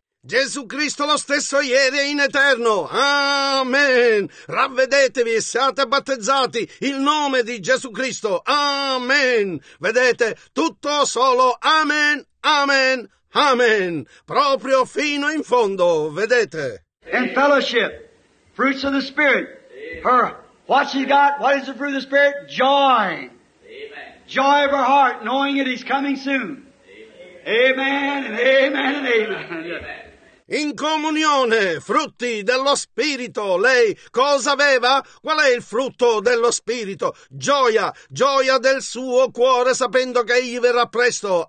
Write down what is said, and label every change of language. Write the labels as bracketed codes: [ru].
[it] Gesù Cristo lo stesso ieri e in eterno. Amen. Ravvedetevi e siate battezzati il nome di Gesù Cristo. Amen. Vedete, tutto solo Amen, Amen, Amen. Proprio fino in fondo, vedete. [en] In fellowship, fruits of the Spirit. Her, what she got, what is the fruit of the Spirit? Joy. Amen. Joy of her heart, knowing that he's coming soon. Amen, amen, and amen. [it] In comunione, frutti dello Spirito, lei cosa aveva? Qual è il frutto dello Spirito? Gioia, gioia del suo cuore sapendo che egli verrà presto.